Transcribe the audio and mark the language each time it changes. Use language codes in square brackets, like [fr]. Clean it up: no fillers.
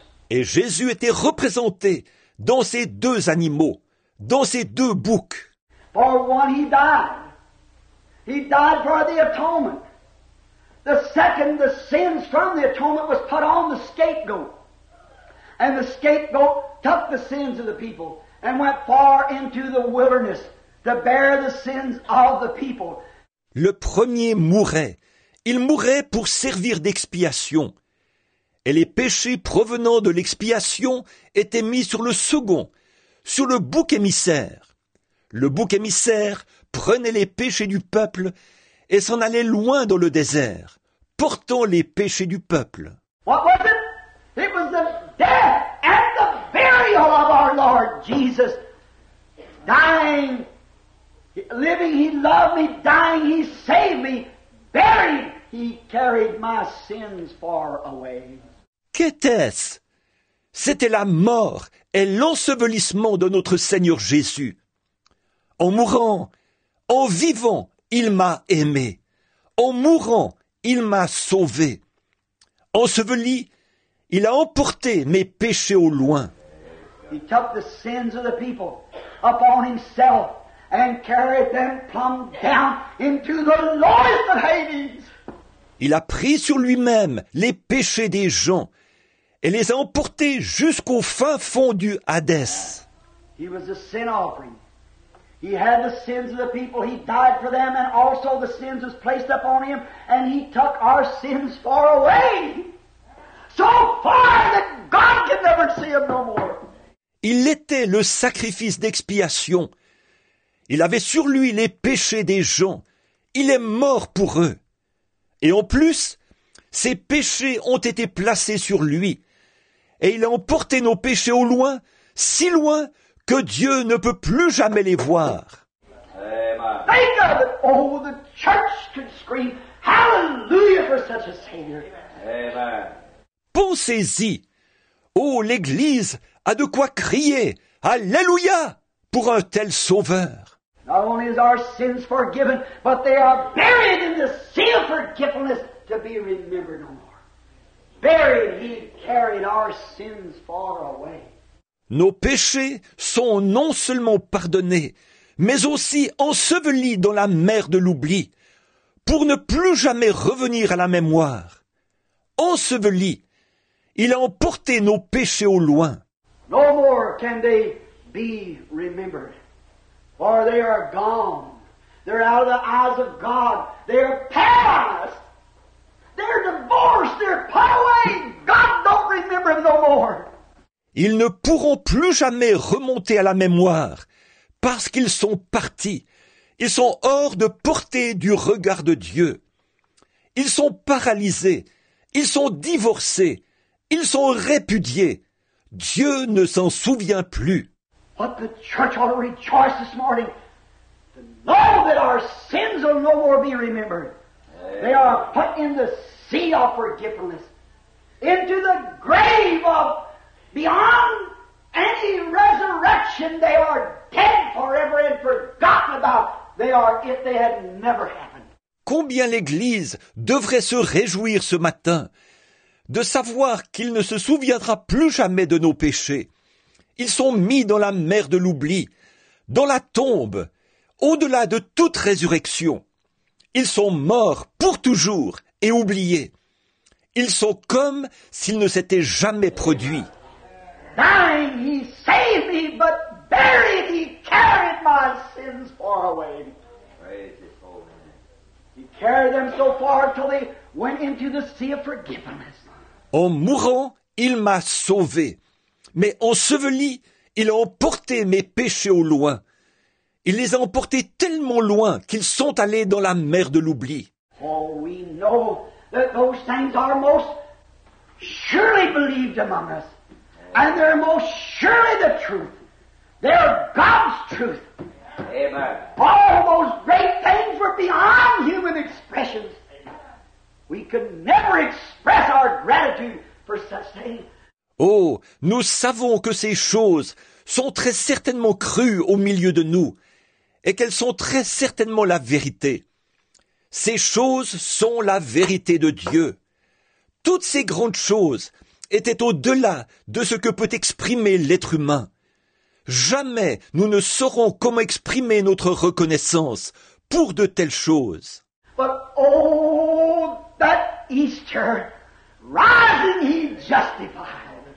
[fr] Et Jésus était représenté dans ces deux animaux, dans ces deux boucs. [en] For one, he died. He died for the atonement. The second, the sins from the atonement was put on the scapegoat. And the scapegoat took the sins of the people and went far into the wilderness to bear the sins of the people. [fr] Le premier mourait. Il mourait pour servir d'expiation. Et les péchés provenant de l'expiation étaient mis sur le second, sur le bouc émissaire. Le bouc émissaire prenait les péchés du peuple et s'en allait loin dans le désert, portant les péchés du peuple. [en] What was it? It was the death and the burial of our Lord Jesus. Dying, living, he loved me, dying, he saved me, buried, he carried my sins far away. [fr] Qu'était-ce? C'était la mort et l'ensevelissement de notre Seigneur Jésus. En mourant, en vivant, il m'a aimé. En mourant, il m'a sauvé. Enseveli, il a emporté mes péchés au loin. [en] He took the sins of the people upon himself and carried them plumb down into the lowest of Hades. [fr] Il a pris sur lui-même les péchés des gens et les a emportés jusqu'au fin fond du Hadès. [en] He was a sin offering. He had the sins of the people. He died for them, and also the sins was placed upon him, and he took our sins far away. So far that God can never see him no more. [fr] Il était le sacrifice d'expiation. Il avait sur lui les péchés des gens. Il est mort pour eux. Et en plus, ses péchés ont été placés sur lui. Et il a emporté nos péchés au loin, si loin que Dieu ne peut plus jamais les voir. [en] Think of it! Oh, the church could scream hallelujah for such a savior. Amen. [fr] Pensez-y. Oh, l'Église a de quoi crier alléluia pour un tel sauveur. [en] Not only is our sins forgiven, but they are buried in the sea of forgiveness to be remembered no more. Buried, he carried our sins far away. [fr] Nos péchés sont non seulement pardonnés, mais aussi ensevelis dans la mer de l'oubli, pour ne plus jamais revenir à la mémoire. Ensevelis, il a emporté nos péchés au loin. [en] No more can they be remembered, for they are gone. They're out of the eyes of God. They are past. They're divorced, they're put away. God don't remember them no more. [fr] Ils ne pourront plus jamais remonter à la mémoire parce qu'ils sont partis. Ils sont hors de portée du regard de Dieu. Ils sont paralysés. Ils sont divorcés. Ils sont répudiés. Dieu ne s'en souvient plus. [en] What the church ought to rejoice this morning to know that our sins will no more be remembered. They are put in the sea of forgiveness, into the grave of beyond any resurrection. They are dead forever and forgotten about. They are if they had never happened. [fr] Combien l'Église devrait se réjouir ce matin de savoir qu'il ne se souviendra plus jamais de nos péchés. Ils sont mis dans la mer de l'oubli, dans la tombe, au-delà de toute résurrection. Ils sont morts pour toujours et oubliés. Ils sont comme s'ils ne s'étaient jamais produits. [en] Dying, he saved me, but buried, he carried my sins far away. He carried them so far till they went into the sea of forgiveness. [fr] En mourant, il m'a sauvé. Mais enseveli, il a emporté mes péchés au loin. Il les a emportés tellement loin qu'ils sont allés dans la mer de l'oubli. [en] Oh, we know that those things are most surely believed among us. And they're most surely the truth. They're God's truth. Amen. All those great things were beyond human expressions. We could never express our gratitude for such things. [fr] Oh, nous savons que ces choses sont très certainement crues au milieu de nous et qu'elles sont très certainement la vérité. Ces choses sont la vérité de Dieu. Toutes ces grandes choses étaient au-delà de ce que peut exprimer l'être humain. Jamais nous ne saurons comment exprimer notre reconnaissance pour de telles choses. [en] But oh, that Easter, rising he justified.